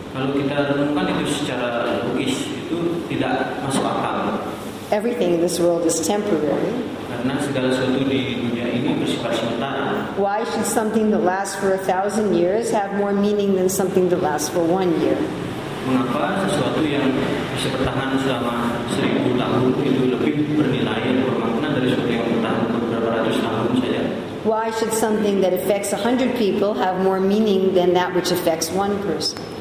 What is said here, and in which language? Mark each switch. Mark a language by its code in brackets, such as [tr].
[id] Kalau kita renungkan itu secara logis, itu tidak masuk akal. [en] Everything in this world is temporary. [id] Karena segala sesuatu di dunia ini bersifat sementara. [en] Why should something that lasts for 1,000 years have more meaning than something that lasts for 1 year? [id] Mengapa sesuatu yang bisa bertahan selama 1,000 tahun itu lebih bernilai dan bermakna dari sesuatu yang bertahan beberapa ratus tahun saja? [en] Why should something that affects 100 people have more meaning than that which affects 1 person?